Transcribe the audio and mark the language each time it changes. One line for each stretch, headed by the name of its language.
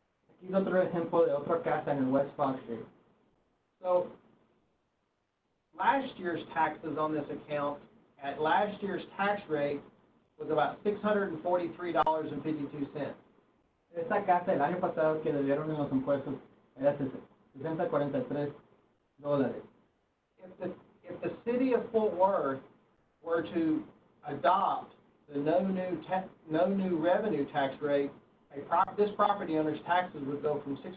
Spanish: Aquí es otro ejemplo de otra casa en West Fox Street.
English: So last year's taxes on this account at last year's tax rate was about $643.52.
Spanish: Esta casa el año pasado que le dieron en los impuestos era $643.
English: If the city of Fort Worth were to adopt the no new revenue tax rate, this property owner's taxes would go from